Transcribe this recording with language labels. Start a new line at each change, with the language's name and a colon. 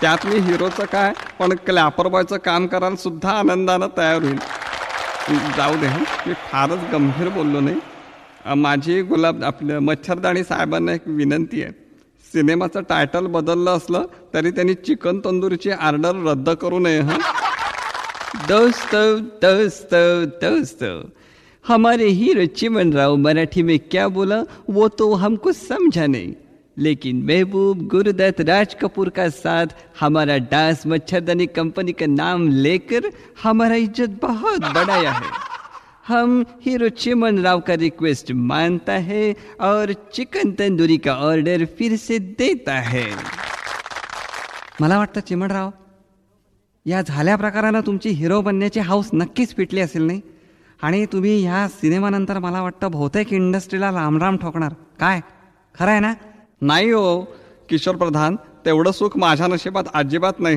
Marathi: त्यात मी हिरोचं काय पण क्लॅपर बॉयचं काम करायला सुद्धा आनंदानं तयार होईल. जाऊ दे, मी फारच गंभीर बोललो नाही. माझी गुलाब आपलं मच्छरदाणी साहेबांना एक विनंती आहे, सिनेमाचं टायटल बदललं असलं तरी त्यांनी चिकन तंदुरीची ऑर्डर रद्द करू नये. हा
Hindi: दोस्त दोस्त दोस्त, हमारे हीरो चिमनराव मराठी में क्या बोला वो तो हमको समझा नहीं, लेकिन महबूब, गुरुदत्त, राज कपूर का साथ हमारा डांस मच्छरदानी कंपनी का नाम लेकर हमारा इज्जत बहुत बढ़ाया है. हम हीरो चिमन राव का रिक्वेस्ट मानता है और चिकन तंदूरी का ऑर्डर फिर से देता है.
Marathi: मला वाटतं चिमन राव, या झाल्या प्रकाराला तुमची हिरो बनण्याची हाऊस नक्कीच फिटली असेल नाही, आणि तुम्ही ह्या सिनेमानंतर मला वाटतं बहुतेक इंडस्ट्रीला लांबराम ठोकणार. काय खरं आहे ना? नाही हो किशोर प्रधान, तेवढं सुख माझ्या नशिबात अजिबात नाही.